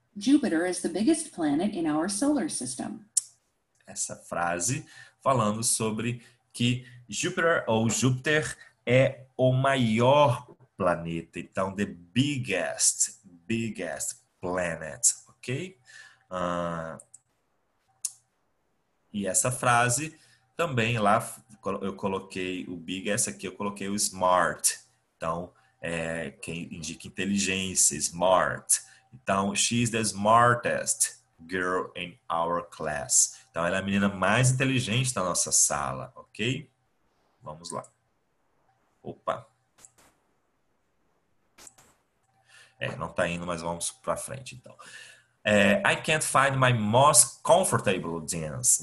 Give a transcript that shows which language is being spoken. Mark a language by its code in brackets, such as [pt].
[en] Jupiter is the biggest planet in our solar system. [pt] Essa frase falando sobre que Júpiter é o maior planeta. Então, the biggest planet, ok? E essa frase também lá, eu coloquei o biggest aqui, eu coloquei o smart. Então, que indica inteligência, smart. [en] Então, she's the smartest girl in our class. [pt] Então, ela é a menina mais inteligente da nossa sala, ok? Vamos lá. Opa! Não tá indo, mas vamos pra frente, então. [en] I can't find my most comfortable jeans.